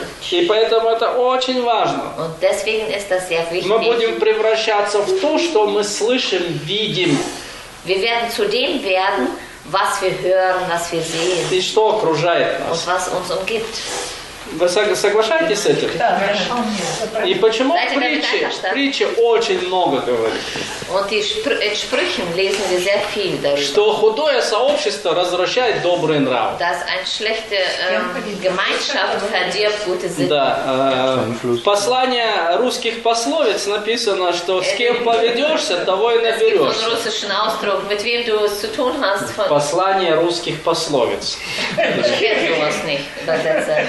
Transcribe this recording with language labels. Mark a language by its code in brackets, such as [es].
[ru] и поэтому это очень важно. Мы будем превращаться в то, что мы слышим, видим. [de] Werden, hören, [ru] и что окружает нас. Вы соглашаетесь с этим? Да, хорошо. И почему притчи очень много говорит? [de] Und die Sprüchen lesen wir sehr viel darüber. [ru] Что худое сообщество разрушает добрый нрав. [de] Dass eine schlechte Gemeinschaft verdirbt gute Sitten. [ru] Да, послание русских пословиц написано, что с кем поведешься, того и наберешься. [de] Es gibt einen russischen Ausdruck, mit wem du es zu tun hast. [ru] Послание русских пословиц. [de] Ich kenne sowas nicht, übersetzer.